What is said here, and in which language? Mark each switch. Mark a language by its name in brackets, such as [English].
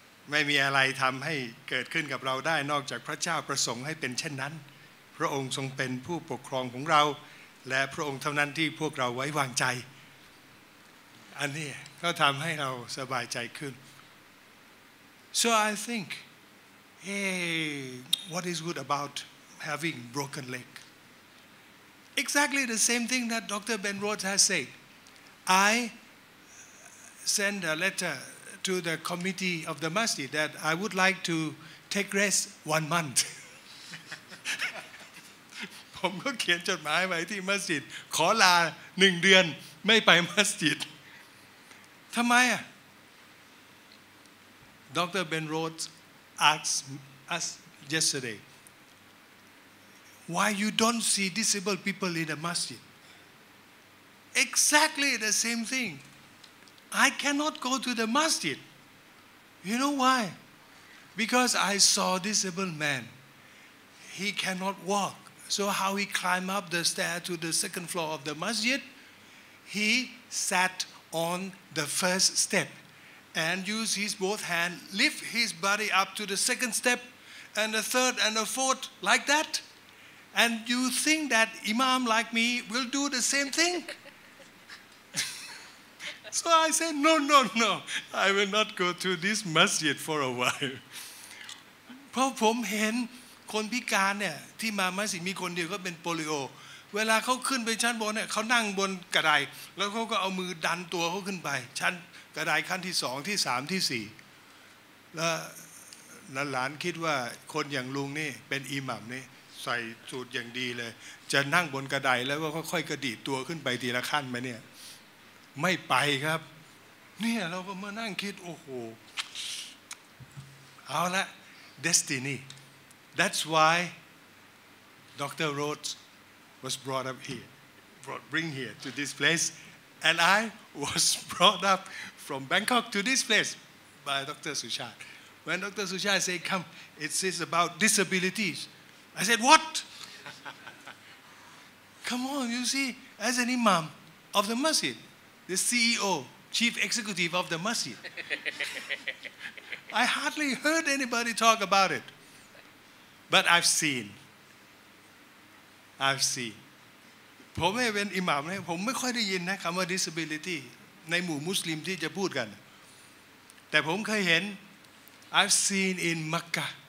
[Thai] ไม่มีอะไรทำให้เกิดขึ้นกับเราได้นอกจากพระเจ้าประสงค์ให้เป็นเช่นนั้นพระองค์ทรงเป็นผู้ปกครองของเราและพระองค์เท่านั้นที่พวกเราไว้วางใจอันนี้ก็ทำให้เราสบายใจขึ้น [English] So I thinkHey, what is good about having broken leg? Exactly the same thing that Dr. Ben Rhodes has said. I send a letter to the committee of the masjid that I would like to take rest 1 month. [Thai] ผมก็เขียนจดหมายไปที่มัสยิดขอลา1เดือนไม่ไปมัสยิดทำไมอ่ะ Dr. [English] Ben RhodesAsked us yesterday, why you don't see disabled people in the masjid? Exactly the same thing. I cannot go to the masjid. You know why? Because I saw disabled man. he cannot walk. So how he climbed up the stair to the second floor of the masjid? He sat on the first step and used his both hands, lift his body up to the second step and the third and the fourth like that. And you think that imam like me will do the same thing? So I said, no, no, no. I will not go to this masjid for a while. Because I saw [Thai] คนพิการเนี่ยที่มามัสยิดมีคนเดียวก็เป็นโปลิโอเวลาเขาขึ้นไปชั้นบนเนี่ยเขานั่งบนกระไดแล้วเขาก็เอามือดันตัวเขาขึ้นไปชั้นกระไดขั้นที่สองที่สามที่สี่แ ล้วหลานคิดว่าคนอย่างลุงนี่เป็นอิหมัมนี่ใส่สูตรอย่างดีเลยจะนั่งบนกระไดแล้วก็ค่อยกระดิดตัวขึ้นไปทีละขั้นไหมเนี่ยไม่ไปครับเนี่ยเราก็มานั่งคิดโอ้โหเอาละ [English] destiny. That's why Dr. Rhodes was brought up here, bring here to this place. And I was brought up from Bangkok to this place by Dr. Sushat. When Dr. Sushat said, come, it is about disabilities. I said, what? Come on, you see, as an imam of the masjid, the CEO, chief executive of the masjid, I hardly heard anybody talk about it. But I've seen. [Thai] ผมไม่เป็นอิหม่ามเลยผมไม่ค่อยได้ยินนะคำว่า disability ในหมู่มุสลิมที่จะพูดกันแต่ผมเคยเห็น [English] I've seen in Mecca.